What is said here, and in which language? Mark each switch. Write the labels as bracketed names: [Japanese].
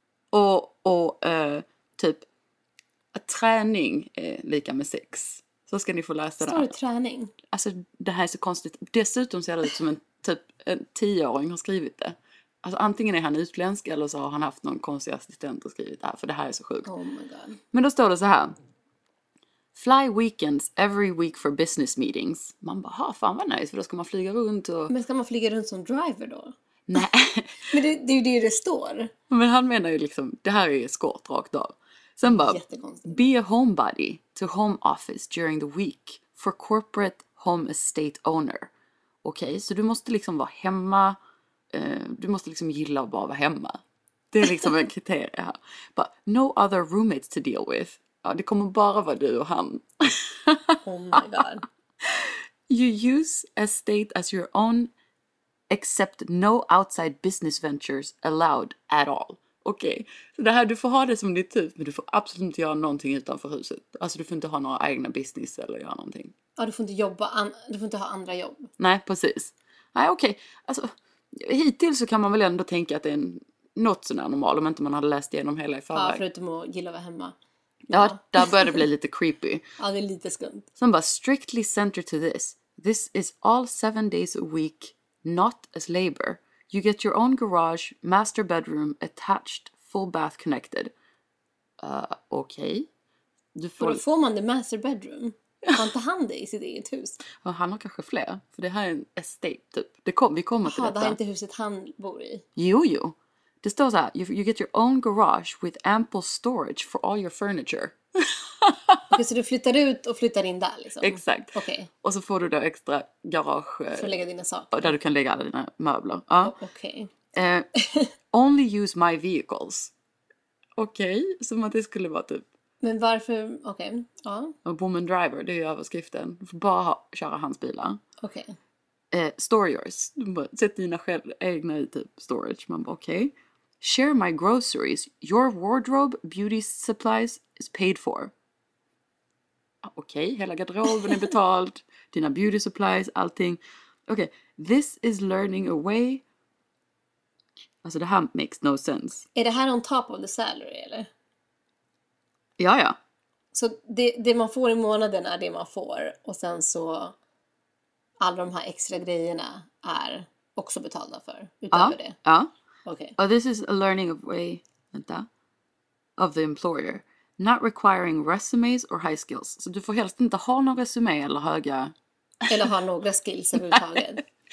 [Swedish] Och typ träning är lika med sex. Så ska ni få läsa det här. Står träning? Alltså det här är så konstigt. Dessutom ser det ut som en typ en 10-åring har skrivit det. Alltså antingen är han utländsk eller så har han haft någon konstig assistent och skrivit det här. För det här är så sjukt. [English] Oh my God. [Swedish] Men då står det så här. [English] Fly weekends every week for business meetings. [Swedish] Man bara, ha fan vad nice. För då ska man flyga runt och... Men ska man flyga runt som driver då? Nej. Men det är ju det står. Men han menar ju liksom, det här är skott rakt av. Sen bara, [English] be a homebody to home office during the week for corporate home estate owner. [Swedish] Okej, okay, så du måste liksom vara hemma. Du måste liksom gilla att bara vara hemma. Det är liksom en kriterie här. [English] But no other roommates to deal with. [Swedish] Ja, det kommer bara vara du och han. [English] Oh my God. You use estate as your own except no outside business ventures allowed at all. [Swedish] Okej, okay. Så det här, du får ha det som ditt hus, men du får absolut inte göra någonting utanför huset. Alltså du får inte ha några egna business eller göra någonting. Ja, du får inte jobba, du får inte ha andra jobb. Nej, precis. Nej, okej. Alltså, hittills så kan man väl ändå tänka att det är något sådär normalt, om inte man hade läst igenom hela i förväg. Ja, förutom att gilla att vara hemma. Ja, där börjar det bli lite creepy. Ja, det är lite skumt. [English] Som bara, strictly centered to this. This is all 7 days a week, not as labor. You get your own garage, master bedroom, attached, full bath connected. [Swedish] Okej. Okay. Då får man det master bedroom. Man tar hand i sitt eget hus. Han har kanske fler. För det här är en estate typ. Vi kommer till detta. Det här är inte huset han bor i. Jo. Det står så här. [English] You get your own garage with ample storage for all your furniture. [Swedish] Okej, okay, så du flyttar ut och flyttar in där liksom. Exakt. [English] Okay. [Swedish] Och så får du då extra garage. För att lägga dina saker. Där du kan lägga alla dina möbler. Ja. Okej. [English] Okay. Only use my vehicles. [Swedish] Okej, okay, som att det skulle vara typ. Men varför, okej. Okay. Ja. Woman driver, det är ju överskriften. Du får bara köra hans bilar. Okej. Okay. [English] Store yours. [Swedish] Sätt dina egna i typ storage. Man bara, okej. Okay. [English] Share my groceries. Your wardrobe, beauty supplies is paid for. [Swedish] Okej, okay, hela garderoben är betald. Dina beauty supplies, allting. [English] Okej, okay, this is learning a way. [Swedish] Alltså det här [English] makes no sense. [Swedish] Är det här [English] on top of the salary, [Swedish] eller? Ja, ja. Så det man får i månaden är det man får. Och sen så alla de här extra grejerna är också betalda för. Utöver det. Ja, ja. [English] Okay. Oh, this is a learning of way, vänta, of the employer, not requiring resumes or high skills. [Swedish] Så du får helst inte ha några resumé eller höga... Eller ha några skills överhuvudtaget.